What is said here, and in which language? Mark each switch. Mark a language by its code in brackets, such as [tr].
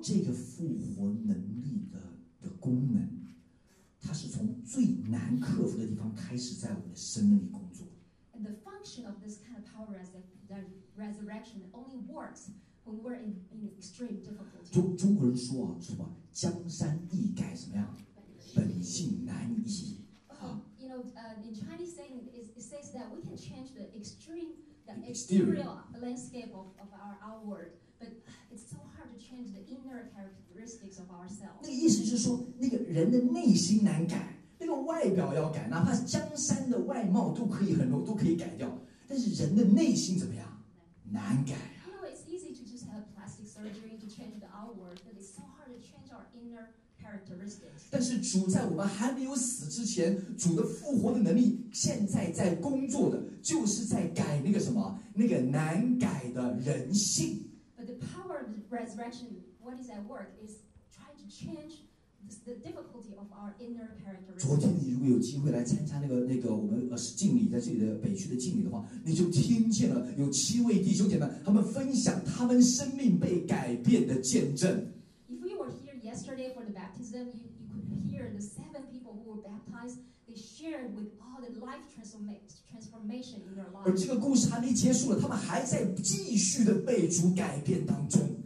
[zh] 这个复活能力 的功能，它是从最难克服的地方开始，在我们的生命里工作。 [en] And the function of this kind of power as the resurrection only works when we're in extreme difficulty. [zh] 中国人说啊，什么江山易改什么样，本性难移。 [en] You know, in Chinese saying, it says that we can change the exterior landscape of our outward. But it's so hard to change the inner characteristics of ourselves. [zh] 那个意思就是说，那个人的内心难改，那个外表要改，哪怕江山的外貌都可以很容易都可以改掉，但是人的内心怎么样？难改啊！ [en] You know, it's easy to just have plastic surgery to change the outward, but it's so hard to change. inner characteristics. [zh] 但是主在我们还没有死之前，主的复活的能力现在在工作的，就是在改那个什么，那个难改的人性。 [en] But the power of the resurrection, what is at work, is trying to change the difficulty of our inner characteristics. [zh] 昨天你如果有机会来参加那个我们敬礼，在这里的北区的敬礼的话，你就听见了有七位弟兄姐妹他们分享他们生命被改变的见证。 [en] If you were here yesterday for the baptism, you could hear the seven people who were baptized. They shared with all the life transformation in their lives. [zh] 而这个故事还没结束了，他们还在继续的被主改变当中。